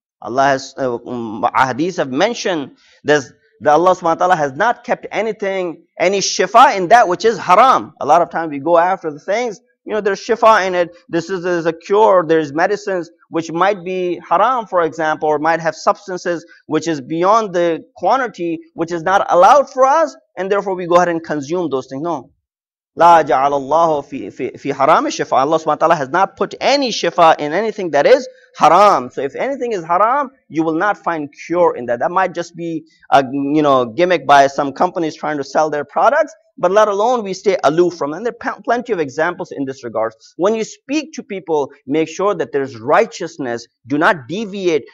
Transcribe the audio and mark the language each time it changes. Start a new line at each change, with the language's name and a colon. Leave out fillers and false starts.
English: Allah has, ahadith have mentioned this, that Allah subhanahu wa ta'ala has not kept anything, any shifa in that which is haram. A lot of times we go after the things, you know, there's shifa in it. This is a cure. There's medicines which might be haram, for example, or might have substances which is beyond the quantity, which is not allowed for us. And therefore, we go ahead and consume those things. No.
Arabic: لا جعل الله في في حرام الشفاء.
English: Allah subhanahu wa ta'ala has not put any shifa in anything that is haram. So if anything is haram, you will not find cure in that. That might just be a, you know, gimmick by some companies trying to sell their products, but let alone we stay aloof from them. And there are plenty of examples in this regard. When you speak to people, make sure that there's righteousness. Do not deviate.